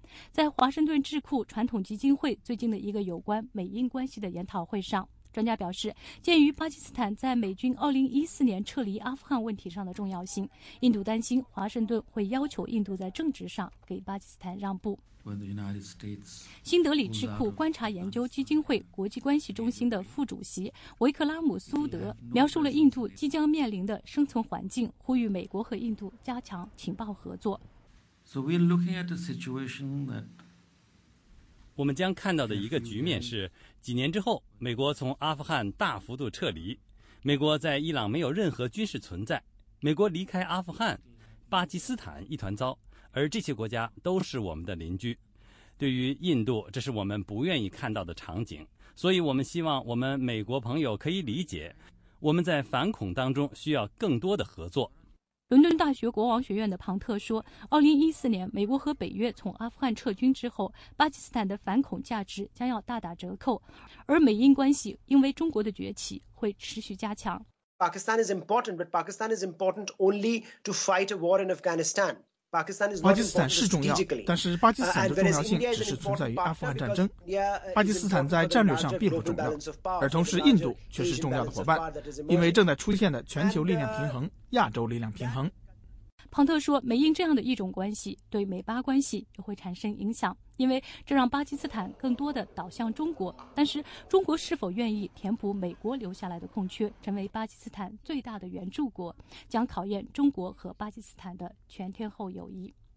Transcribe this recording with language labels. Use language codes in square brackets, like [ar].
[zh] 在华盛顿智库传统基金会最近的一个有关美印关系的研讨会上，专家表示，鉴于巴基斯坦在美军2014年撤离阿富汗问题上的重要性，印度担心华盛顿会要求印度在政治上给巴基斯坦让步。新德里智库观察研究基金会国际关系中心的副主席维克拉姆·苏德描述了印度即将面临的生存环境，呼吁美国和印度加强情报合作。 [en] So we're looking at a situation that [zh] 我们将看到的一个局面是，几年之后，美国从阿富汗大幅度撤离，美国在伊朗没有任何军事存在，美国离开阿富汗，巴基斯坦一团糟，而这些国家都是我们的邻居。对于印度，这是我们不愿意看到的场景，所以我们希望我们美国朋友可以理解，我们在反恐当中需要更多的合作。伦敦大学国王学院的庞特说，2014年美国和北约从阿富汗撤军之后，巴基斯坦的反恐价值将要大打折扣，而美英关系因为中国的崛起会持续加强。 [en] Pakistan is important, but Pakistan is important only to fight a war in Afghanistan. Pakistan is not important strategically. [zh] 巴基斯坦是重要，但是巴基斯坦的重要性只是存在于阿富汗战争。巴基斯坦在战略上并不重要，而同时印度却是重要的伙伴，因为正在出现的全球力量平衡、亚洲力量平衡。庞特说，美印这样的一种关系对美巴关系也会产生影响，因为这让巴基斯坦更多的倒向中国，但是中国是否愿意填补美国留下来的空缺，成为巴基斯坦最大的援助国，将考验中国和巴基斯坦的全天候友谊。